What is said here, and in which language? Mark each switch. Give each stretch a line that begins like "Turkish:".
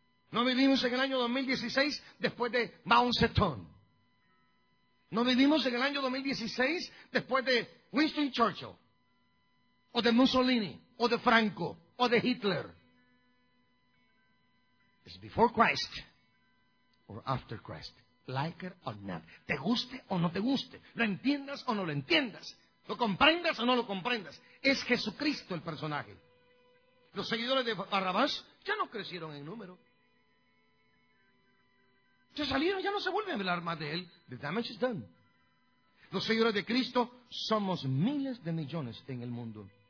Spanish: No vivimos en el año 2016 después de Mao Zedong. No vivimos en el año 2016 después de Winston Churchill, o de Mussolini, o de Franco, o de Hitler.
English: It's before Christ or after Christ. Like it or not.
Spanish: Te guste o no te guste. Lo entiendas o no lo entiendas. Lo comprendas o no lo comprendas. Es Jesucristo el personaje. Los seguidores de Barrabás ya no crecieron en número. Se salieron, ya no se vuelven a hablar más de él.
English: The damage is done.
Spanish: Los seguidores de Cristo somos miles de millones en el mundo.